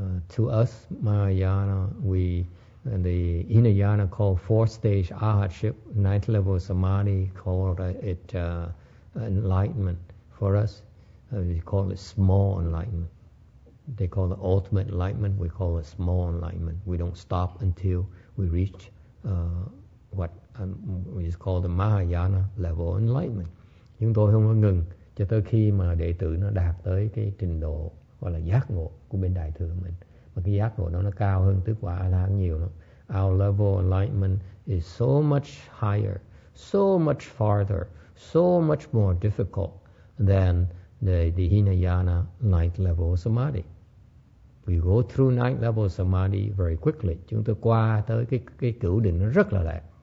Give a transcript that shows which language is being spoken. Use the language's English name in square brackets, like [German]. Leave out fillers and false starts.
[English] To us, Mahayana, and the Hinayana called four stage arhatship, ninth level samadhi, called it enlightenment. For us, we call it small enlightenment. They call it ultimate enlightenment, we call it small enlightenment. We don't stop until we reach what is called the Mahayana level enlightenment. [Vietnamese] Chúng tôi không có ngừng cho tới khi mà đệ tử nó đạt tới cái trình độ gọi là giác ngộ của bên đại thừa mình. Mà cái giác ngộ nó cao hơn tứ quả A la hán nhiều lắm. [English] Our level of enlightenment is so much higher, so much farther, so much more difficult than the Hinayana ninth level of samadhi. We go through ninth level of samadhi very quickly. [Vietnamese] Chúng tôi qua tới cái cửu định nó rất là lẹ.